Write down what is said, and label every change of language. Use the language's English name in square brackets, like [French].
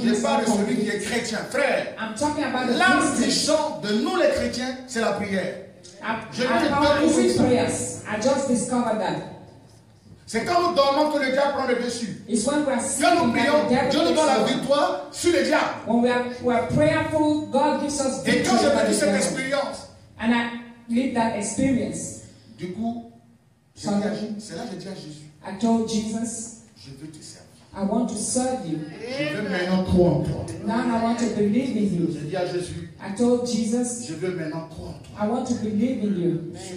[French] je parle de celui qui est chrétien. Frère, [English] I'm talking about the [French] l'âme du champ de nous les chrétiens, c'est la prière. [English] I'm, [French] je ne parle pas de [English] prayers. I just discovered that. [French] C'est quand nous dormons que le diable prend le dessus. [English] When we are [French] quand nous prions, Dieu nous donne la victoire sur le diable. [English] When we are prayerful, God gives us victory. [French] Et quand j'ai vécu cette expérience, [English] and I lived that experience. [French] Du coup, c'est là que j'ai dit à Jésus. [English] I told Jesus, [French] je veux te servir. [English] I want to serve you. [French] Je veux maintenant croire en toi. [English] Now I want to believe in you. [French] J'ai dit à Jésus. [English] I told Jesus, [French] je veux maintenant croire en toi. [English] I want to believe in you.